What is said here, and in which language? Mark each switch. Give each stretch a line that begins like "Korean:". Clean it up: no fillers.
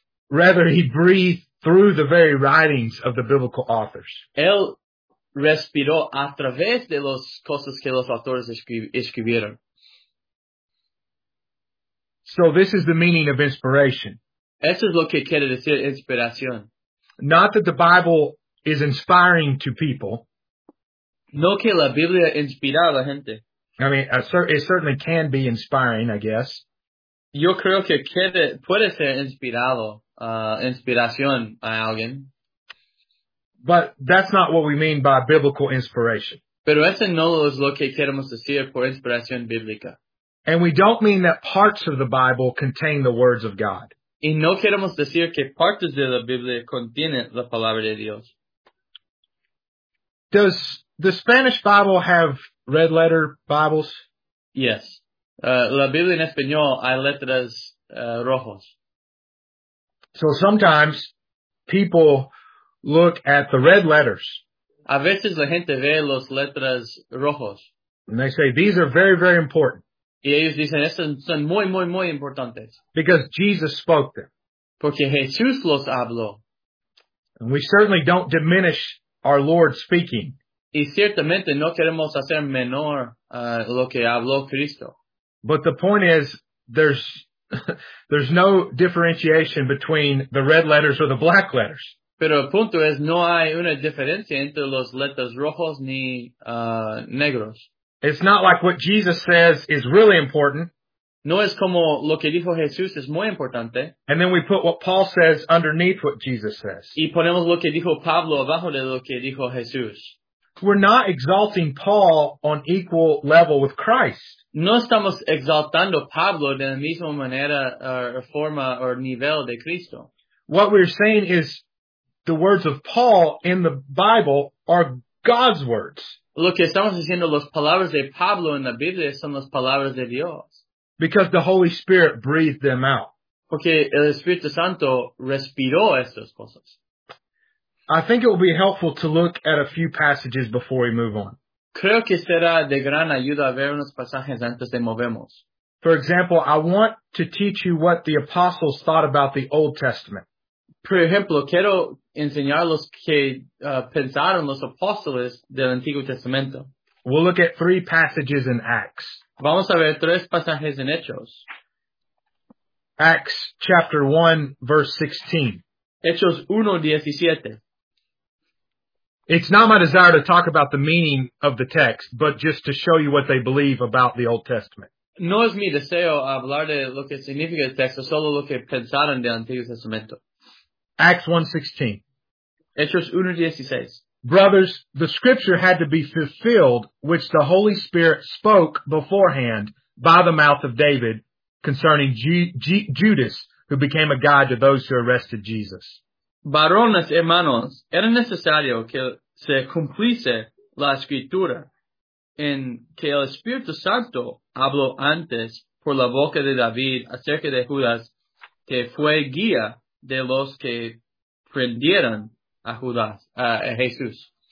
English: Rather, he breathed through the very writings of the biblical authors.
Spanish: Él respiró a través de las cosas que los autores escribieron.
English: So this is the meaning of inspiration.
Spanish: Eso es lo que quiere decir inspiración.
English: Not that the Bible is inspiring to people.
Spanish: No que la Biblia inspira a la gente.
English: I mean, it certainly can be inspiring, I guess.
Spanish: Yo creo que puede ser inspirado, inspiración a alguien.
English: But that's not what we mean by biblical inspiration.
Spanish: Pero eso no es lo que queremos decir por inspiración bíblica.
English: And we don't mean that parts of the Bible contain the words of God.
Spanish: Y no queremos decir que partes de la Biblia contienen la palabra de Dios.
English: Does the Spanish Bible have red letter Bibles? Yes.
Spanish: La Biblia en español hay letras rojos.
English: So sometimes people look at the red letters.
Spanish: A veces la gente ve las letras rojos.
English: And they say, these are very, very important.
Spanish: Y ellos dicen, estos son muy, muy, muy importantes.
English: Because Jesus spoke them.
Spanish: Porque Jesús los habló.
English: And we certainly don't diminish our Lord speaking.
Spanish: Y ciertamente no queremos hacer menor lo que habló Cristo.
English: But the point is, there's no differentiation between the red letters or the black letters.
Spanish: Pero el punto es, no hay una diferencia entre los letras rojos ni negros.
English: It's not like what Jesus says is really important.
Spanish: No es como lo que dijo Jesús es muy importante.
English: And then we put what Paul says underneath what Jesus says.
Spanish: Y ponemos lo que dijo Pablo abajo de lo que dijo Jesús.
English: We're not exalting Paul on equal level with Christ.
Spanish: No estamos exaltando Pablo de la misma manera o forma o nivel de Cristo.
English: What we're saying is the words of Paul in the Bible are God's words.
Spanish: Lo que estamos diciendo, las palabras de Pablo en la Biblia son las palabras de Dios.
English: Because the Holy Spirit breathed them out.
Spanish: Porque el Espíritu Santo respiró estas cosas.
English: I think it will be helpful to look at a few passages before we move on.
Spanish: Creo que será de gran ayuda ver unos pasajes antes de movemos.
English: For example, I want to teach you what the apostles thought about the Old Testament.
Spanish: Por ejemplo, quiero enseñarlos que pensaron los apóstoles del Antiguo Testamento.
English: We'll look at three passages in Acts.
Spanish: Vamos a ver tres pasajes en Hechos.
English: Acts chapter 1, verse 16.
Spanish: Hechos 1, 17.
English: It's not my desire to talk about the meaning of the text, but just to show you what they believe about the Old Testament.
Spanish: No es mi deseo hablar de lo que significa el texto, solo lo que pensaron del Antiguo Testamento.
English: Acts 1:16. Brothers, the scripture had to be fulfilled, which the Holy Spirit spoke beforehand by the mouth of David concerning Judas, who became a guide to those who arrested Jesus.
Spanish: Varones, hermanos, era necesario que se cumpliese la escritura en que el Espíritu Santo habló antes por la boca de David acerca de Judas, que fue guía de los que prendieron a Judas, a Jesús.